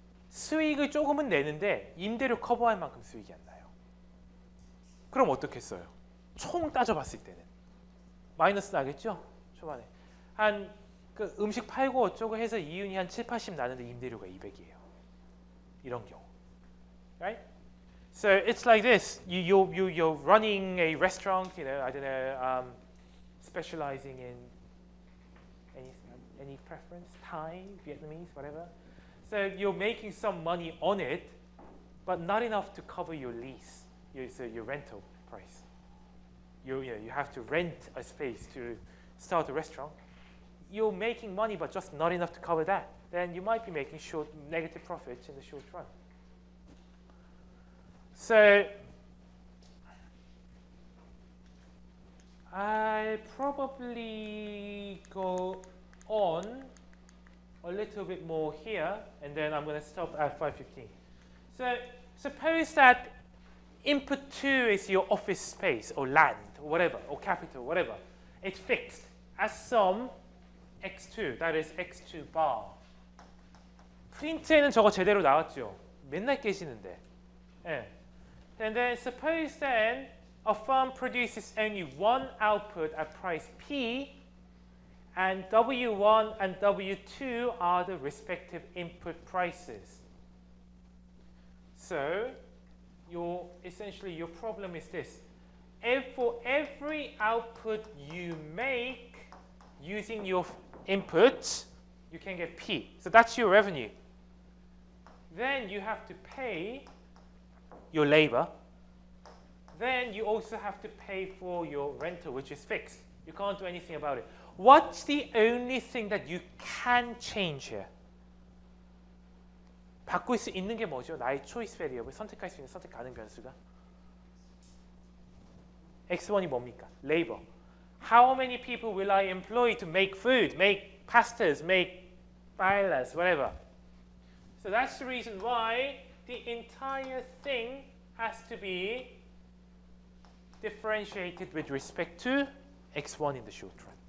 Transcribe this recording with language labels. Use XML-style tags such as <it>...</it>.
<ko>수익을 조금은 내는데 임대료 커버할 만큼 수익이 안 나요. 그럼 어떻겠어요? 총 따져봤을 때는 마이너스 나겠죠? 초반에 한 그 음식 팔고 어쩌고 해서 이윤이 한 7, 80 나는데 임대료가 200이에요. 이런 경우.</ko> <en>Right? So it's like this. You're running a restaurant, you know, I don't know, specializing in any preference, Thai, Vietnamese, whatever. So you're making some money on it, but not enough to cover your lease, your rental price. You have to rent a space to start a restaurant. You're making money, but just not enough to cover that. Then you might be making short negative profits in the short run. So I'll probably go on a little bit more here, and then I'm going to stop at 5:15. So suppose that input 2 is your office space or land or whatever, or capital, whatever. It's fixed as some X2, that is X2 bar.</en> <ko>프린트에는 저거 제대로 나왔죠. 맨날 깨지는데. 예.</ko> <en>And then suppose then a firm produces only one output at price P, and W1 and W2 are the respective input prices. So your problem is this. For every output you make using your input, you can get P. So that's your revenue. Then you have to pay your labor. Then you also have to pay for your rental, which is fixed. You can't do anything about it. What's the only thing that you can change here?</en> <ko>바꿀 수 있는 게 뭐죠? 나의 choice variable, 선택할 수 있는 선택 가능 변수가? X1이 뭡니까? Labor.</ko> <en>How many people will I employ to make food, make pastas, make paellas, whatever? So that's the reason why the entire thing has to be differentiated with respect to X1 in the short run.</en>